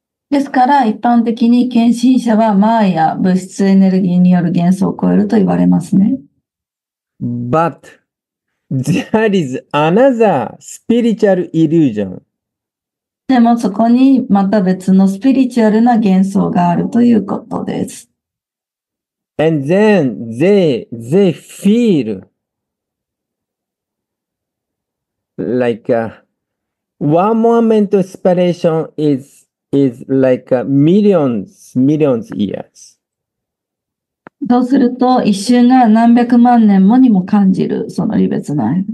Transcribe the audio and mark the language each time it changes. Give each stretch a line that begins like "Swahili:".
Japanese: ですから、一般的に献身者はマーヤ、物質エネルギーによる幻想を超えると言われますね。
English: But there is another spiritual illusion.
Japanese: でもそこにまた別のスピリチュアルな幻想があるということです。
English: And then they feel like a, one moment of separation is like a millions years.
Japanese: そうすると一瞬が何百万年もにも感じるその離別の